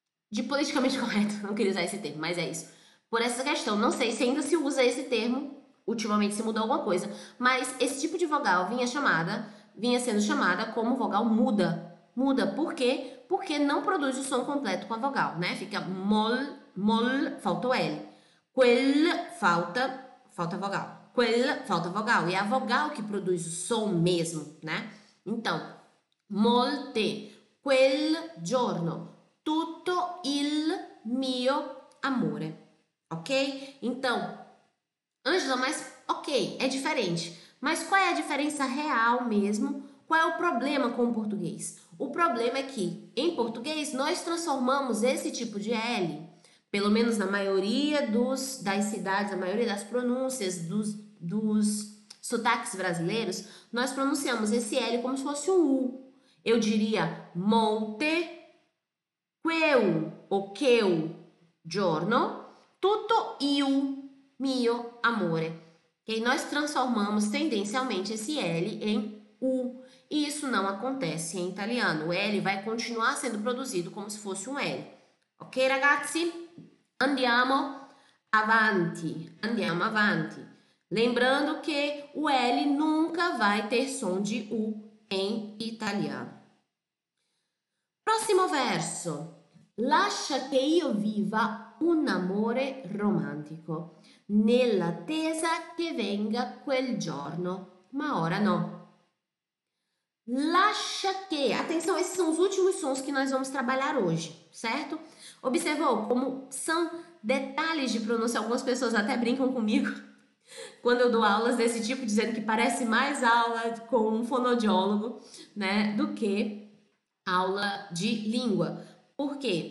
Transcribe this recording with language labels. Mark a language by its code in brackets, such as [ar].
[pt] De politicamente correto, não queria usar esse termo, mas é isso. Por essa questão, não sei se ainda se usa esse termo, ultimamente se mudou alguma coisa, mas esse tipo de vogal vinha sendo chamada como vogal muda. Muda por quê? Porque não produz o som completo com a vogal, né? Fica mol, mol, falta o L. Quel, falta vogal. Quel, falta vogal. E é a vogal que produz o som mesmo, né? Então, [it] molte, quel giorno, tutto il mio amore. [pt] Ok? Então, Angela, mas ok, é diferente. Mas qual é a diferença real mesmo? Qual é o problema com o português? O problema é que, em português, nós transformamos esse tipo de L, pelo menos na maioria das cidades, na maioria das pronúncias, dos sotaques brasileiros, nós pronunciamos esse L como se fosse um U. Eu diria [it] molte, queu, o queu, giorno, tutto il mio amore. [pt] Okay? Nós transformamos tendencialmente esse L em U. E isso não acontece em italiano. O L vai continuar sendo produzido como se fosse um L. Ok, ragazzi? [it] Andiamo avanti. Andiamo avanti. [pt] Lembrando que o L nunca vai ter som de U em italiano. Próximo verso. [it] Lascia che io viva un amore romantico nell'attesa che venga quel giorno. Ma ora no. Lascia che, [pt] atenção, esses são os últimos sons que nós vamos trabalhar hoje, certo? Observou como são detalhes de pronúncia, algumas pessoas até brincam comigo quando eu dou aulas desse tipo, dizendo que parece mais aula com um fonoaudiólogo, né, do que aula de língua. Por quê?